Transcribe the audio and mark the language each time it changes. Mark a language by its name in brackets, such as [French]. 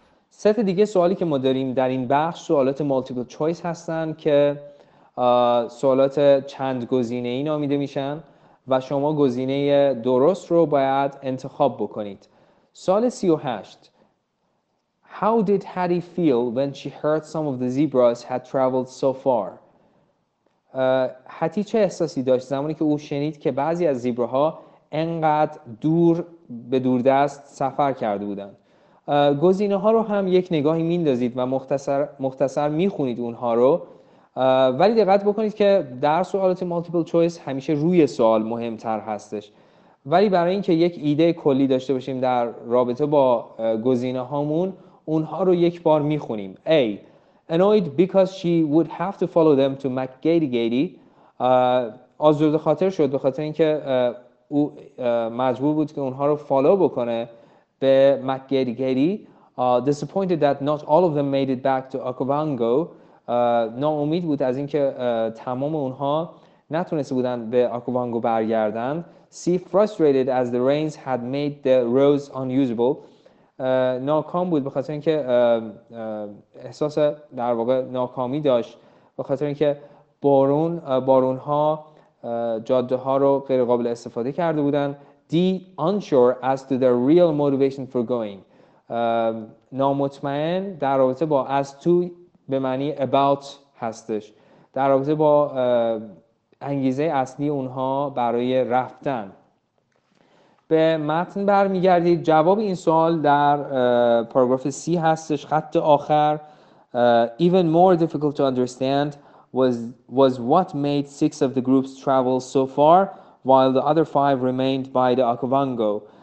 [Persian] ست دیگه سوالی که ما داریم در این بخش سوالات مالتیپل چویس هستن که سوالات چند گزینه ای نامیده میشن و شما گزینه درست رو باید انتخاب بکنید. سوال 38: [English] How did Hattie feel when she heard some of the zebras had traveled so far? [Persian] حتی چه احساسی داشت زمانی که او شنید که بعضی از زیبراها انقدر دور به دوردست سفر کرده بودند؟ گزینه ها رو هم یک نگاهی میندازید و مختصر میخونید اونها رو، ولی دقت بکنید که در سوالات مالتیپل چویس همیشه روی سوال مهمتر هستش. ولی برای اینکه یک ایده کلی داشته باشیم در رابطه با گزینه هامون، اونها رو یک بار میخونیم. [English] A: annoyed because she would have to follow them to McGady-Gady. [Persian] آزرده خاطر شد به خاطر اینکه او مجبور بود که اونها رو فالو بکنه به McGady-Gady. [English] Disappointed that not all of them made it back to Okavango. [Persian] ناامید بود از اینکه تمام اونها نتونسته بودن به Okavango برگردن. [English] C: frustrated as the rains had made the roads unusable. [Persian] ناکام بود به خاطر اینکه احساس در واقع ناکامی داشت به خاطر اینکه بارون‌ها جاده ها رو غیر قابل استفاده کرده بودن. [English] D: unsure as to the real motivation for going. [Persian] نامطمئن در رابطه با as to به معنی about هستش، در رابطه با انگیزه اصلی اونها برای رفتن. به متن برمیگردید. جواب این سوال در پاراگراف C هستش، خط آخر. [English] Even more difficult to understand was what made six of the groups travel so far while the other five remained by the Okavango.